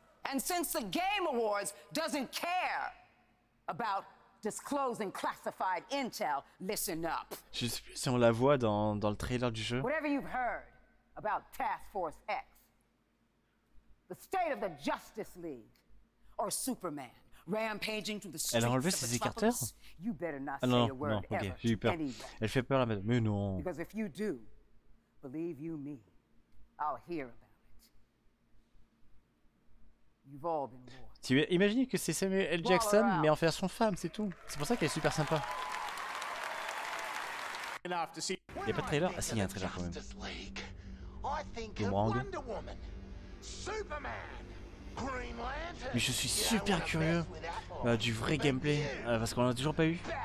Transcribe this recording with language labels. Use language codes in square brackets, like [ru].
[en] And since the Game Awards doesn't care about disclosing classified intel, listen up. [fr] Je sais plus si on la voit dans le trailer du jeu. [en] Whatever you've heard about Task Force X, the state of the Justice League, or Superman. Rampaging through the streets. [fr] Elle a enlevé ses écarteurs. [en] You better not say a word ever. [fr] Okay, j'ai eu peur. Elle fait peur à madame. Mais non. [en] Because if you do, believe you me, I'll hear about it. You've all been warned. [fr] Tu imagines que c'est Samuel L. Jackson, mais en fait son femme, c'est tout. C'est pour ça qu'elle est super sympa. Il y a pas de trailer. Ah si, il y a un trailer quand même. [en] I think of Wonder Woman, Superman. [fr] Mais je suis super curieux du vrai gameplay parce qu'on l'a toujours pas eu.